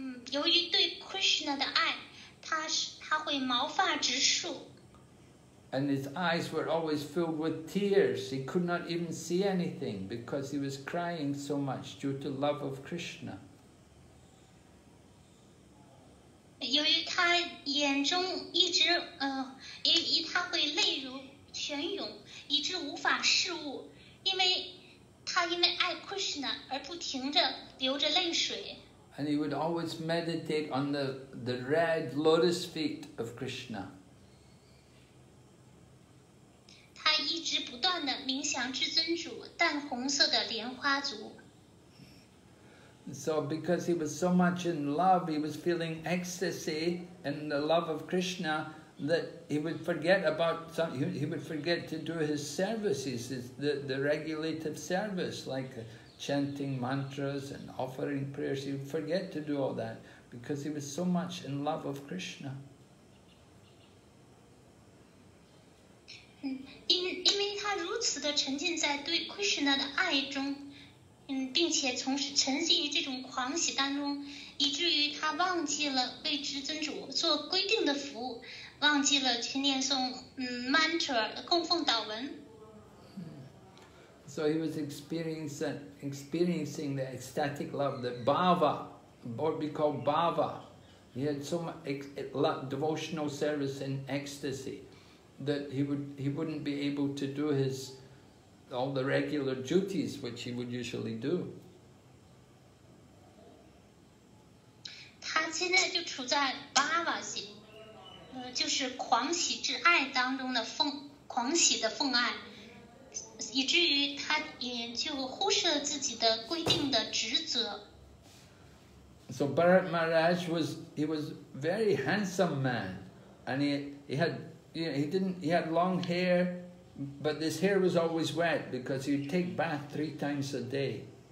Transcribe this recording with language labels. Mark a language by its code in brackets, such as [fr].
[zh] 由于对 Krishna 的爱，他会毛发直竖。 [en] And his eyes were always filled with tears. He could not even see anything because he was crying so much due to love of Krishna. [zh] 由于他眼中一直他会泪如泉涌，以致无法视物，因为他因为爱 Krishna 而不停地流着泪水。 [en] And he would always meditate on the red lotus feet of Krishna. [zh] 他一直不断地冥想至尊主淡红色的莲花足。 [en] So because he was so much in love, he was feeling ecstasy in the love of Krishna that he would forget about something, he would forget to do his services, the regulative service, like chanting mantras and offering prayers. He would forget to do all that because he was so much in love of Krishna. Because he was so much in love of Krishna. [zh] 并且从此沉浸于这种狂喜当中，以至于他忘记了为至尊主做规定的服务，忘记了去念诵mantra 的供奉祷文。 [en] So he was experiencing the ecstatic love, the bhava, or be called bhava. He had so much devotional service and ecstasy that he wouldn't be able to do all the regular duties which he would usually do. [zh] 他现在就处在bhava心，就是狂喜之爱当中的狂喜的奉爱。以至于他也就忽视了自己的规定的职责。 [en] So Bharat Maharaj was a very handsome man, and he had long hair, but this hair was always wet because he'd take bath three times a day.